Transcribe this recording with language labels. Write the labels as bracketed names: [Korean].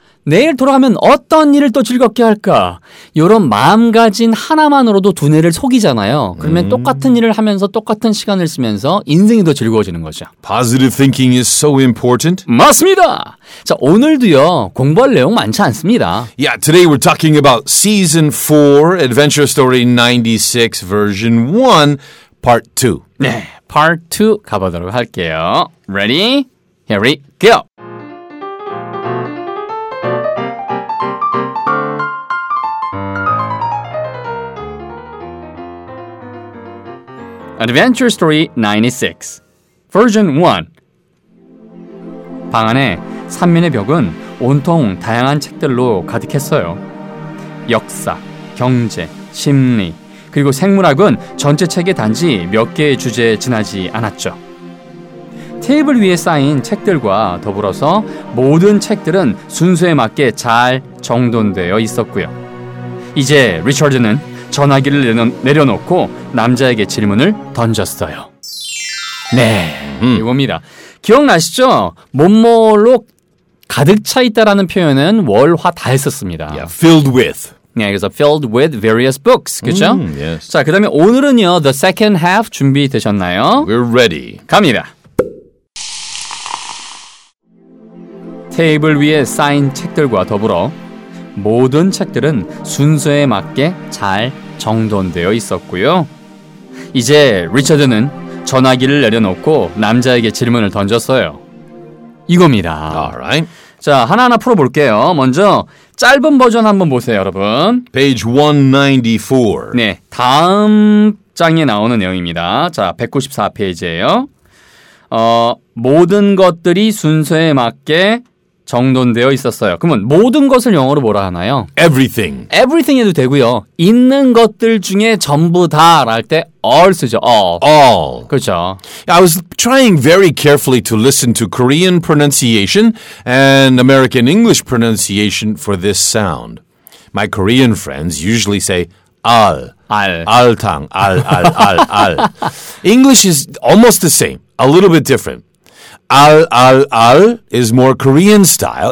[Korean] 내일 돌아가면 어떤 일을 또 즐겁게 할까? 이런 마음가짐 하나만으로도 두뇌를 속이잖아요. 그러면 똑같은 일을 하면서 똑같은 시간을 쓰면서 인생이 더 즐거워지는 거죠. [English] Positive thinking is so important. [Korean] 맞습니다. 자, 오늘도요. 공부할 내용 많지 않습니다. [English] Yeah, today we're talking about season 4, Adventure Story 96, version 1, part 2. [Korean] 네, part 2 가보도록 할게요. [English] Ready? Here we go! [Korean] Adventure Story 96 Version 1 방 안에 3면의 벽은 온통 다양한 책들로 가득했어요. 역사, 경제, 심리, 그리고 생물학은 전체 책에 단지 몇 개의 주제에 지나지 않았죠. 테이블 위에 쌓인 책들과 더불어서 모든 책들은 순서에 맞게 잘 정돈되어 있었고요. 이제 리처드는 전화기를 내려놓고 남자에게 질문을 던졌어요. 네, 이겁니다. 기억나시죠? 뭐뭐로 가득 차 있다라는 표현은 월화 다 했었습니다. [English] Yeah, filled with. [Korean] 네, 그래서 [English] filled with various books, [Korean] 그렇죠? [English] Yes. [Korean] 자, 그 다음에 오늘은요, [English] the second half [Korean] 준비되셨나요? [English] We're ready. [Korean] 갑니다. 테이블 위에 쌓인 책들과 더불어 모든 책들은 순서에 맞게 잘 정돈되어 있었고요. 이제 리처드는 전화기를 내려놓고 남자에게 질문을 던졌어요. 이겁니다. [English] Alright. [Korean] 자, 하나하나 풀어볼게요. 먼저 짧은 버전 한번 보세요, 여러분. [English] Page 194. [Korean] 네, 다음 장에 나오는 내용입니다. 자, 194페이지예요. 모든 것들이 순서에 맞게 정돈되어 있었어요. 그러면 모든 것을 영어로 뭐라 하나요? [English] Everything. [Korean] Everything 해도 되고요. 있는 것들 중에 전부 다랄 때 all 쓰죠. [English] All. All. [Korean] 그렇죠. [English] I was trying very carefully to listen to Korean pronunciation and American English pronunciation for this sound. My Korean friends usually say all. All. All 탕. All, all, all, all. English is almost the same. A little bit different. Al, al, al is more Korean style.